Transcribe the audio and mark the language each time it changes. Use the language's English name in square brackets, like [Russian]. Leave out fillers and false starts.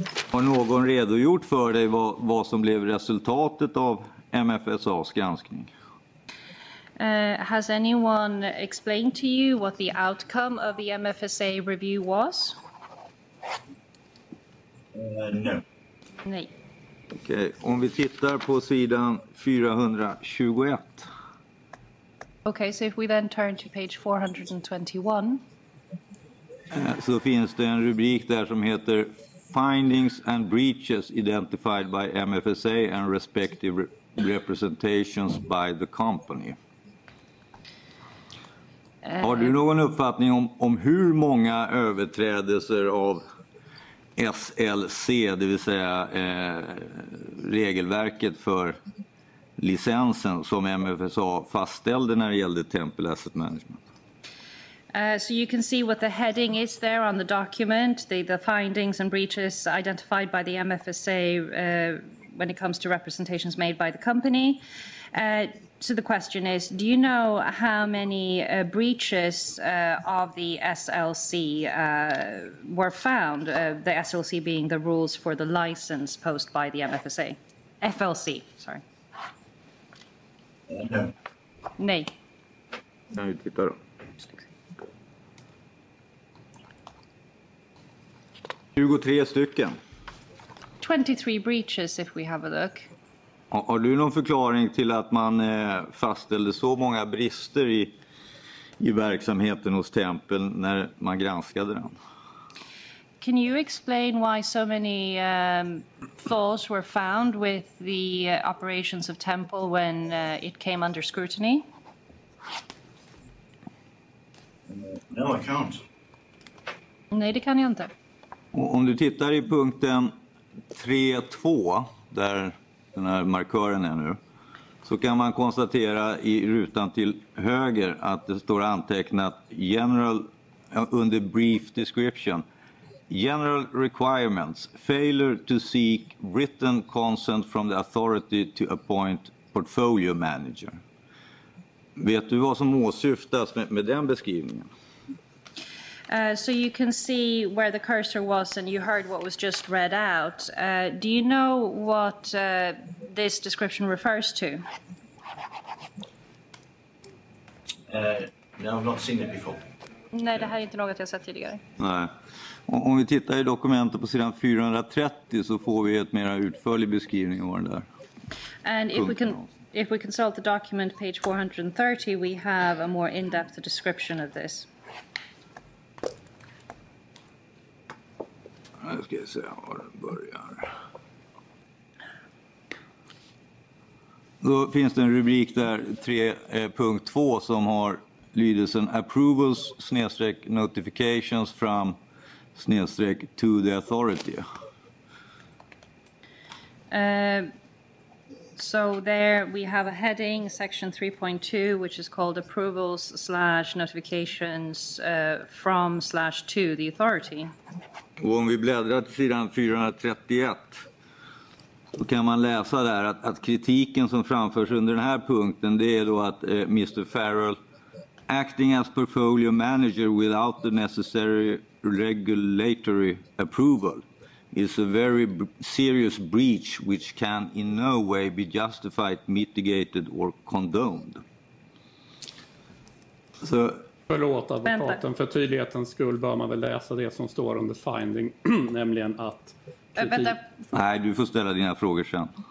[Swedish] Har någon redogjort för dig vad som blev resultatet av MFSA:s granskning? [English] Has anyone explained to you what the outcome of the MFSA review was? No. [Swedish] Nej. Okej, okay. Om vi tittar på sidan 421. [English] Okay, so if we then turn to page 421. [Swedish] Så finns det en rubrik där som heter [English] Findings and Breaches Identified by MFSA and Respective Representations by the Company. [Swedish] Har du någon uppfattning om hur många överträdelser av SLC, det vill säga regelverket för licensen som MFSA fastställde när det gällde Temple Asset Management. [English] So you can see what the heading is there on the document, the findings and breaches identified by the MFSA when it comes to representations made by the company. So the question is, do you know how many breaches of the SLC were found, the SLC being the rules for the license posed by the MFSA? FLC, sorry. [Swedish] Nej. Nej. Nej, titta då. 23 stycken. [English] 23 breaches if we have a look. [Swedish] Har du någon förklaring till att man fastställde så många brister i verksamheten hos Tempel när man granskade den? [English] Can you explain why so many flaws were found with the operations of Tempel when it came under scrutiny? No, I can't. [Swedish] Nej, det kan jag inte. Om du tittar i punkten 3.2, där den här markören är nu, så kan man konstatera i rutan till höger att det står antecknat general under brief description. [English] General requirements, failure to seek written consent from the authority to appoint portfolio manager. [Swedish] Vet du vad som åsyftas med den beskrivningen? [English] So you can see where the cursor was and you heard what was just read out. Do you know what this description refers to? No, I've not seen it before. [Swedish] Nej, det här är inte något jag sett tidigare. Nej. Om vi tittar i dokumentet på sidan 430 så får vi ett mer utförlig beskrivning av den där. [English] And if we consult the document page 430, we have a more in-depth description of this. [Swedish] Nu ska jag se var den börjar. Då finns det en rubrik där 3.2 som har lydelsen approvals snedstreck [English] notifications from [Swedish] snedstreck [English] to the authority. So there we have a heading, section 3.2, which is called approvals slash notifications from slash to the authority. [Swedish] Och om vi bläddrar till sidan 431 så kan man läsa där att kritiken som framförs under den här punkten, det är då att Mr. [English] Farrell acting as portfolio manager without the necessary regulatory approval is a very serious breach which can in no way be justified, mitigated or condoned. [Swedish] Så förlåt advokaten, för tydlighetens skull bör man väl läsa det som står under finding, nämligen att Nej, du får ställa dina frågor sen.